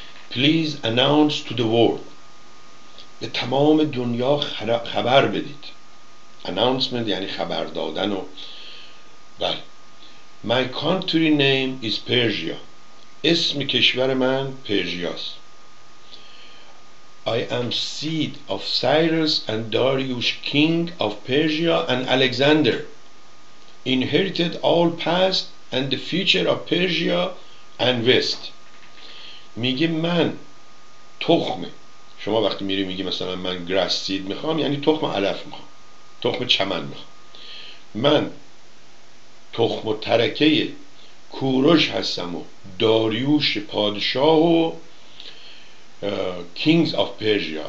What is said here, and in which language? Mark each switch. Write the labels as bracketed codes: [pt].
[en] Please announce to the world، [fa] به تمام دنیا خبر بدید. Announcement یعنی خبر دادن. و بله [en] My country name is Persia، [fa] اسم کشور من پرژیاست. [en] I am seed of Cyrus and Darius, king of Persia and Alexander. Inherited all past and the future of Persia and West. [fa] میگه من تخمه، شما وقتی میری میگی مثلا من [en] grass seed [fa] میخوام، یعنی تخم علف میخوام، تخم چمن میخوام. من تخم و ترکه کوروش هستم و داریوش پادشاه و [en] Kings of Persia.